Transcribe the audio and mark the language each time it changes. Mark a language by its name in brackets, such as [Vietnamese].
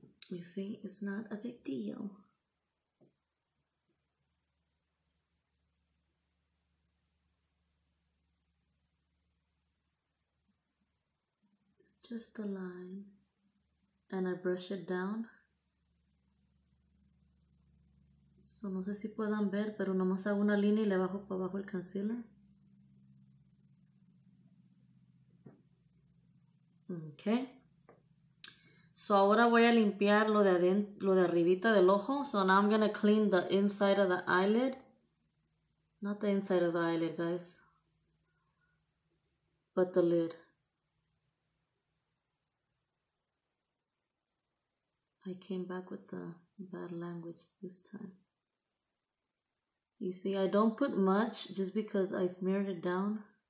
[English] You see, it's not a big deal. Just a line, and I brush it down. [Spanish] So, no sé si puedan ver, pero nomás hago una línea y le bajo para abajo el concealer. Okay. So, ahora voy a limpiar lo de arribita del ojo. [English] So, now I'm going to clean the inside of the eyelid. Not the inside of the eyelid, guys. But the lid. I came back with the bad language this time. You see, I don't put much just because I smeared it down.